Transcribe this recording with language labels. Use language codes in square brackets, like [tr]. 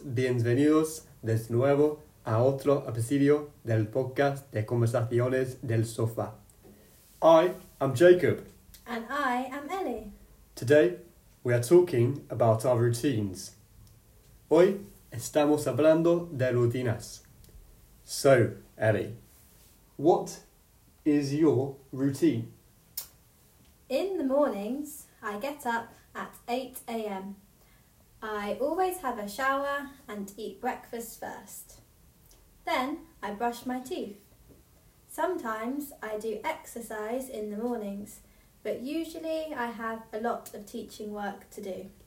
[es] Bienvenidos de nuevo a otro episodio del podcast de Conversaciones del Sofá. [en] I am Jacob. And I am Ellie. Today, we are talking about our routines. [es] Hoy estamos hablando de rutinas. [en] So, Ellie, what is your routine? In the mornings, I get up at 8 a.m. I always have a shower and eat breakfast first. Then I brush my teeth. Sometimes I do exercise in the mornings, but usually I have a lot of teaching work to do.